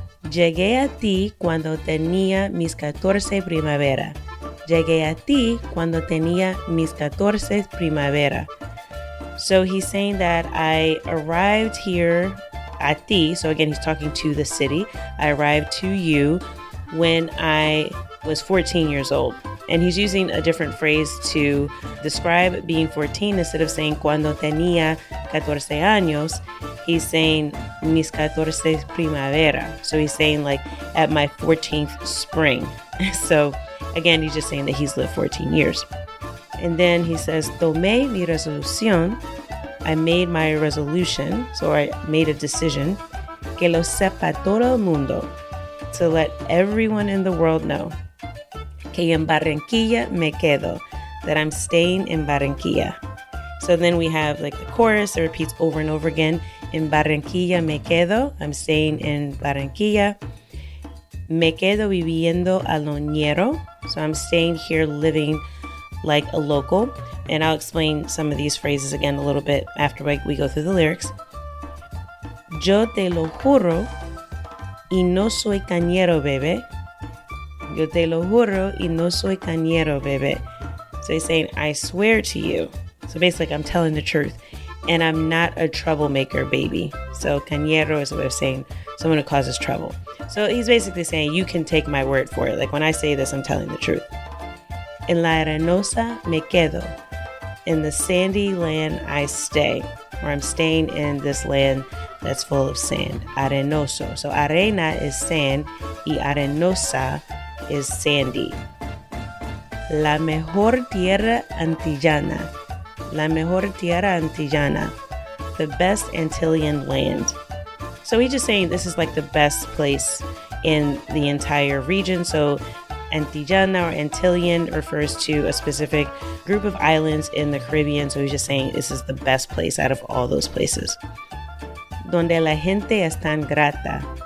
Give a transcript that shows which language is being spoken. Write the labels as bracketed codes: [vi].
[es] Llegué a ti cuando tenía mis 14 primavera. Llegué a ti cuando tenía mis 14 primavera. [en] So he's saying that I arrived here at ti. So again, he's talking to the city. I arrived to you when I was 14 years old. And he's using a different phrase to describe being 14. Instead of saying [es] cuando tenía 14 años, [en] he's saying [es] mis 14 primavera. [en] So he's saying like at my 14th spring. So again, he's just saying that he's lived 14 years. And then he says, [es] tomé mi resolución. [en] I made my resolution. So I made a decision. [es] Que lo sepa todo el mundo. [en] To let everyone in the world know. [es] Que en Barranquilla me quedo. [en] That I'm staying in Barranquilla. So then we have like the chorus that repeats over and over again. [es] En Barranquilla me quedo. [en] I'm staying in Barranquilla. [es] Me quedo viviendo a lo ñero. [en] So I'm staying here living like a local. And I'll explain some of these phrases again a little bit after we go through the lyrics. [es] Yo te lo juro y no soy cañero, bebé. Yo te lo juro y no soy cañero, bebé. [en] So he's saying, I swear to you. So basically, like, I'm telling the truth. And I'm not a troublemaker, baby. So cañero is a way of saying someone who causes trouble. So he's basically saying, you can take my word for it. Like when I say this, I'm telling the truth. [es] En la arenosa me quedo. [en] In the sandy land I stay. Or I'm staying in this land that's full of sand. Arenoso. So arena is sand. [es] Y arenosa [en] is sandy. [es] La mejor tierra antillana. La mejor tierra antillana. [en] The best Antillean land. So he's just saying this is like the best place in the entire region. So Antillana or Antillean refers to a specific group of islands in the Caribbean. So he's just saying this is the best place out of all those places. [es] Donde la gente es tan grata.